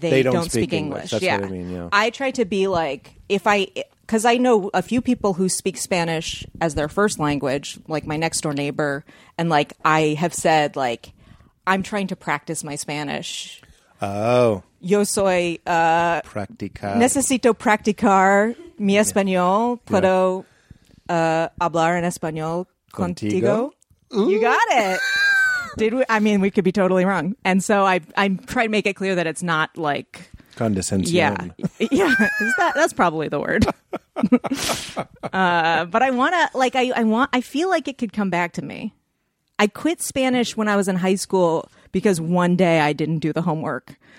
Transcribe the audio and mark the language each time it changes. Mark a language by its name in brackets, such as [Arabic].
[English] they don't speak English. That's what I mean, I try to be like, because I know a few people who speak Spanish as their first language, like my next door neighbor, and like I have said, like, I'm trying to practice my Spanish. Oh. [Spanish] Yo soy... practicar. Necesito practicar mi español. Puedo hablar en español contigo. [English] You got it. We could be totally wrong. And so I try to make it clear that it's not like... Condescension. Yeah. That's probably the word. but I want to... like, I feel like it could come back to me. I quit Spanish when I was in high school because one day I didn't do the homework.